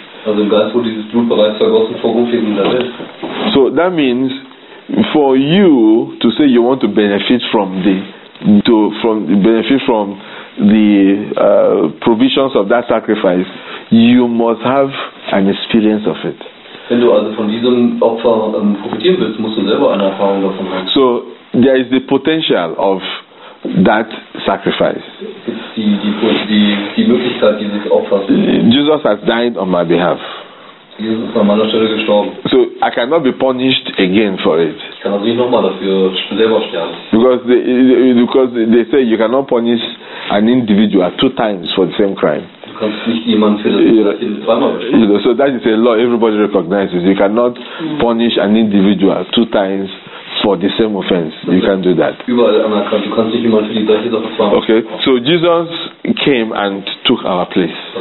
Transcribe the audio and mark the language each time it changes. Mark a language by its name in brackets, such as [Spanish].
[English] So that means for you to say you want to benefit from the provisions of that sacrifice, you must have an experience of it. [German] Wenn du also von diesem Opfer profitieren willst, musst du selber eine Erfahrung davon haben. [English] So there is the potential of that sacrifice. [German] Die Möglichkeit dieses Opfers. [English] Jesus has died on my behalf. [German] Jesus ist an meiner Stelle gestorben. [English] So I cannot be punished again for it. [German] Ich kann also nicht nochmal dafür selber sterben. [English] Because they say you cannot punish an individual two times for the same crime. So that is a law everybody recognizes. You cannot punish an individual two times for the same offense. You can't do that. Okay, so Jesus came and took our place.